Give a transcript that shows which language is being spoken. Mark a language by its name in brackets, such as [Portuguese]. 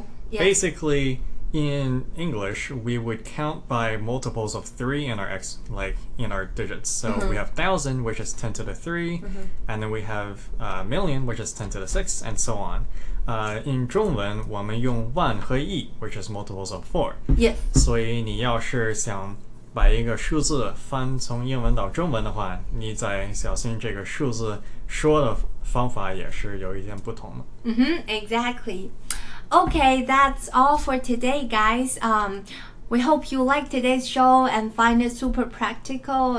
[English] basically in English, we would count by multiples of 3 in our in our digits. So mm-hmm. we have 1,000, which is 10 to the 3, mm-hmm. and then we have million, which is 10 to the 6, and so on. In 中文, [Chinese] 我们用万和亿, [English] which is multiples of 4. Yeah. [Chinese] 所以你要是想 把一个数字翻从英文到中文的话, 你在小心这个数字说的方法也是有一点不同的。 [English] Mm-hmm, exactly. Okay, that's all for today, guys. We hope you like today's show and find it super practical.